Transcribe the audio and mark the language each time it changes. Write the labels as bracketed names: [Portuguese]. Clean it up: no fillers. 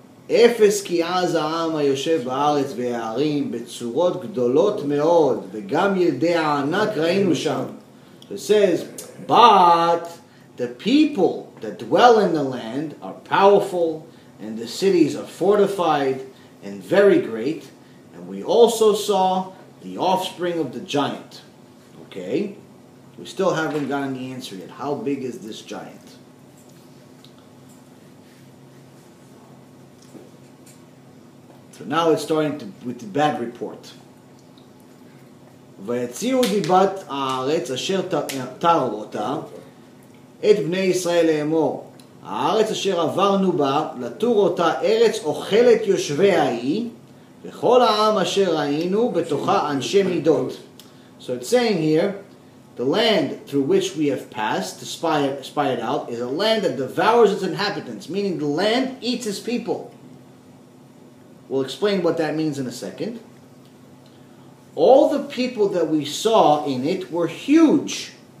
[Hebrew] אפס כי אז העם היושב בארץ והערים בצורות גדולות מאוד וגם ילדי הענק ראינו שם. [English] It says, but the people that dwell in the land are powerful and the cities are fortified and very great, and we also saw the offspring of the giant. Okay? We still haven't gotten the answer yet. How big is this giant? So now it's starting to, with the bad report. [Hebrew] ויציאו דיבת הארץ אשר תר אותה את בני ישראל לאמור הארץ אשר עברנו בה לתור אותה ארץ אוכלת יושביה היא וכל העם אשר ראינו בתוכה אנשי מידות. [English] So it's saying here, the land through which we have passed to spy it out is a land that devours its inhabitants, meaning the land eats its people. We'll explain what that means in a second. All the people that we saw in it were huge.